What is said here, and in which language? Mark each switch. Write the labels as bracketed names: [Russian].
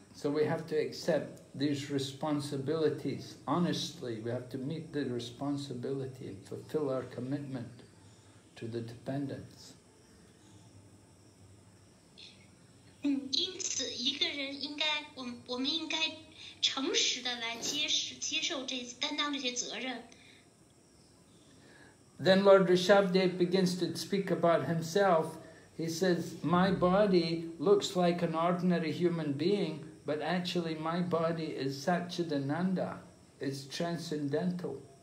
[English] So we have to accept these responsibilities honestly. We have to meet the responsibility and fulfill our commitment to the dependents. [Chinese] 因此一个人应该我们应该诚实地来接受这担当这些责任。 [English] Then Lord Rishabhdev begins to speak about himself. He says, my body looks like an ordinary human being, but actually my body is Satchidananda, it's transcendental.